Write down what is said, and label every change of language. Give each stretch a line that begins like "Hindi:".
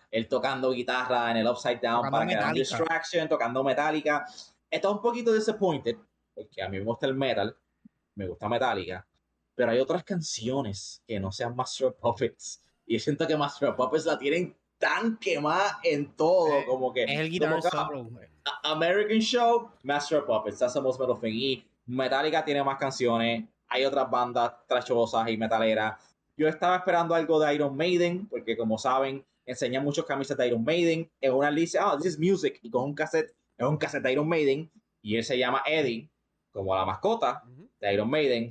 Spanish: Él tocando guitarra en el Upside Down tocando para crear distraction, tocando Metallica. Está un poquito disappointed, porque a mí me gusta el metal, me gusta Metallica, pero hay otras canciones que no sean Master of Puppets. Y yo siento que Master of Puppets la tienen tan quemada en todo, como que... Es el guitar solo, güey.
English: American Show, Master of Puppets, that's the most metal thing.
Spanish: Y Metallica tiene más canciones, hay otras bandas trachosas y metaleras. Yo estaba esperando algo de Iron Maiden, porque como saben, enseñan muchas camisas de Iron Maiden. En una dice,
English: oh, this is music,
Spanish: y coge un cassette. Es un cassette de Iron Maiden y él se llama Eddie, como la mascota de Iron Maiden.